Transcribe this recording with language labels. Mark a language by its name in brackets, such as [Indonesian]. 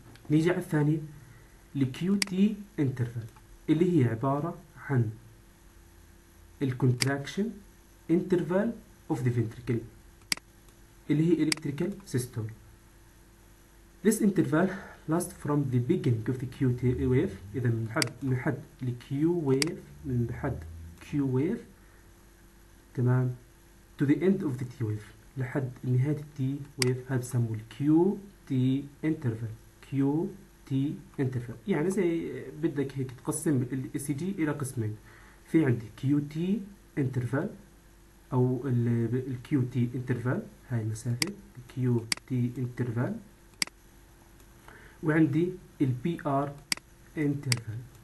[Arabic] نيجي على الثاني الكيو تي انترفال، اللي هي عباره عن [English] الكونتراكشن interval of the ventricle, [Arabic] اللي هي الكتريكال سيستول. [English] This interval last from the beginning of the QT wave. [Arabic] إذا من حد ال Q wave، من حد Q wave، تمام، [English] to the end of the T wave، [Arabic] لحد نهاية T wave، هذا بسموه QT interval. QT interval يعني زي بدك هيك تقسم ال ECG إلى قسمين، في عندي QT interval أو ال QT interval، هاي المسافة QT interval، وعندي ال بي ار انترفال.